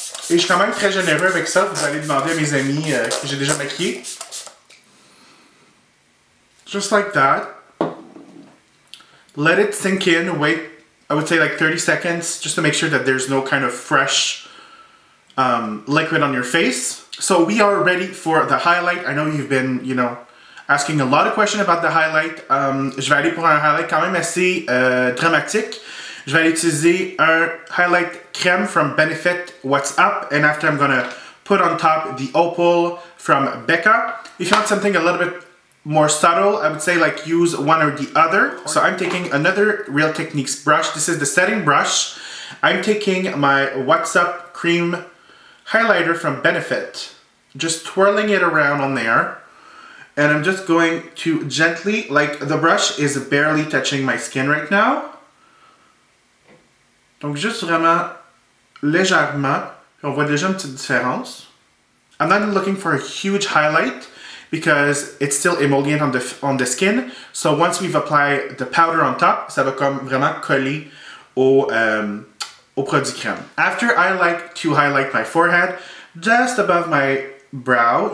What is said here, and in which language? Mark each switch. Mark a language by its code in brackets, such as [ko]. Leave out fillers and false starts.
[fr] Et je suis quand même très généreux avec ça, vous allez demander à mes amis que j'ai déjà maquillé. [en] Just like that. Let it sink in, wait, I would say like 30 seconds, just to make sure that there's no kind of fresh liquid on your face. So we are ready for the highlight. I know you've been, you know, asking a lot of questions about the highlight. [fr] Je vais aller pour un highlight quand même assez dramatique. Je vais utiliser un highlight crème [en] from Benefit What's Up, and after I'm gonna put on top the opal from BECCA. If you want something a little bit more subtle, I would say like use one or the other. So I'm taking another Real Techniques brush. This is the setting brush. I'm taking my What's Up cream highlighter from Benefit, just twirling it around on there, and I'm just going to gently, like the brush is barely touching my skin right now. [fr] Donc juste vraiment légèrement, on voit déjà une petite différence. [en] I'm not looking for a huge highlight because it's still emollient on the skin. So once we've applied the powder on top, [fr] ça va comme vraiment coller au produit crème. [en] After, I like to highlight my forehead just above my brow.